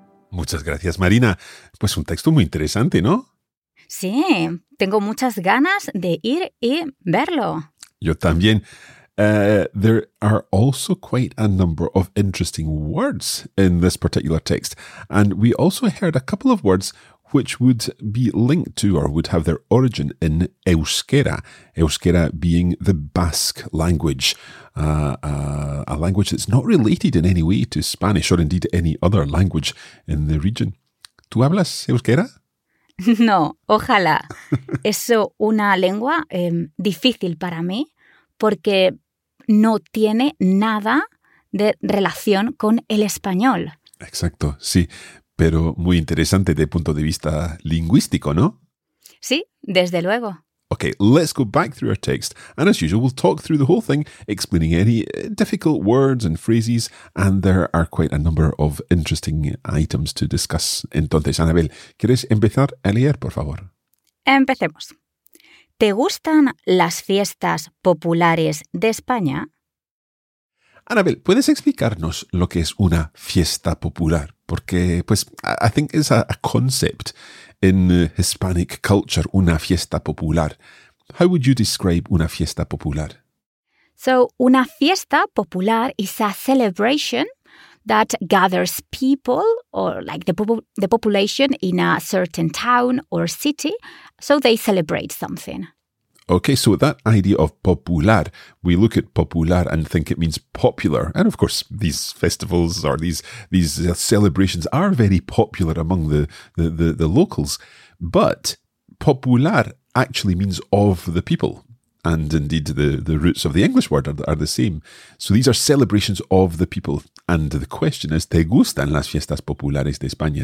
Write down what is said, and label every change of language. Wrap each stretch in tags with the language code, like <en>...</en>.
<es>Muchas gracias, Marina. Pues un texto muy interesante, ¿no? Sí, tengo muchas ganas de ir y verlo. Yo también.</es> <en>There are also quite a number of interesting words in this particular text. And we also heard a couple of words which would be linked to or would have their origin in euskera. Euskera being the Basque language, a language that's not related in any way to Spanish or indeed any other language in the region.</en> <es>¿Tú hablas euskera? No, ojalá. Es una lengua difícil para mí porque no tiene nada de relación con el español. Exacto, sí. Pero muy interesante de punto de vista lingüístico, ¿no? Sí, desde luego.</es> <en>Okay, let's go back through our text. And as usual, we'll talk through the whole thing, explaining any difficult words and phrases. And there are quite a number of interesting items to discuss.</en> <es>Entonces, Anabel, ¿quieres empezar a leer, por favor? Empecemos. ¿Te gustan las fiestas populares de España? Anabel, ¿puedes explicarnos lo que es una fiesta popular? Porque, pues,</es> <en>I think it's a concept in Hispanic culture,</en> <es>una fiesta popular.</es> <en>How would you describe</en> <es>una fiesta popular?</es> <en>So,</en> <es>una fiesta popular</es> <en>is a celebration that gathers people or like the population in a certain town or city, so they celebrate something. Okay, so that idea of popular, we look at popular and think it means popular. And of course, these festivals or these celebrations are very popular among the locals. But popular actually means of the people. And indeed, the roots of the English word are the same. So these are celebrations of the people. And the question is,</en> <es>¿te gustan las fiestas populares de España?</es>